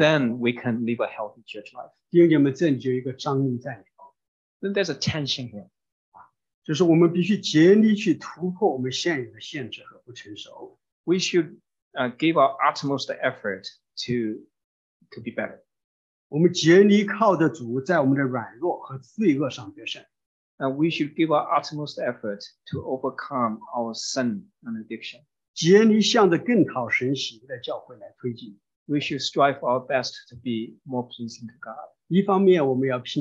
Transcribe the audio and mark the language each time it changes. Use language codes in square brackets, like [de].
[en] then we can live a healthy church life. [zh] 弟兄姐妹们, 这里就有一个张力在里头。 [en] then there's a tension here. [zh] 就是我们必须竭力去突破我们现有的限制和不成熟。 [en] We should give our utmost effort to be better. [zh] 我们竭力靠着主在我们的软弱和罪恶上得胜。 [en] We should give our utmost effort to overcome our sin and addiction. [zh] 竭力向着更讨神喜悦的教会来推进。 [en] We should strive our best to be more pleasing to God.